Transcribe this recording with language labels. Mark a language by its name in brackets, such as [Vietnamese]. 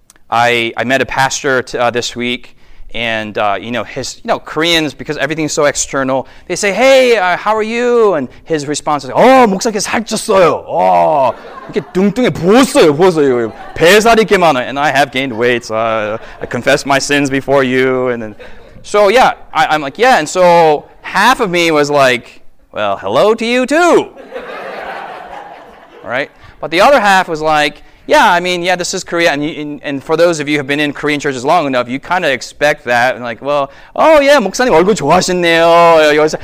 [English] I met a pastor this week, and Koreans, because everything's so external, they say, "Hey, how are you?" And his response is, "Oh, [Korean] 목사께 살쪘어요. 어, 이렇게 뚱뚱해 부었어요, 부었어요. 배살이 꽤 많아. [English] And I have gained weight. So I confess my sins before you." And then, so yeah, I'm like, yeah. And so half of me was like, "Well, hello to you too." All right. But the other half was like, yeah, I mean, yeah, this is Korea, and for those of you who have been in Korean churches long enough, you kind of expect that, and like, well, oh yeah, [Korean] 목사님 얼굴 좋아하셨네요.